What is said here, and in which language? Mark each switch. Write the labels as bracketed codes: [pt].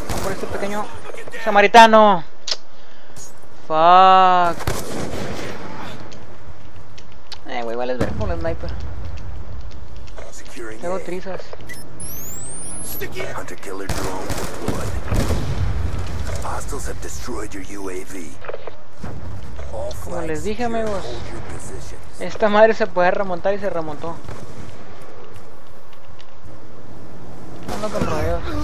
[es] Este pequeño samaritano. [en] Fuck. [es] Wey, igual es ver con el sniper. Tengo trizas. [en] Hunter killer drone deployed. Hostiles have destroyed your UAV. [es] Como les dije, amigos, esta madre se puede remontar y se remontó. Ando con rodeos.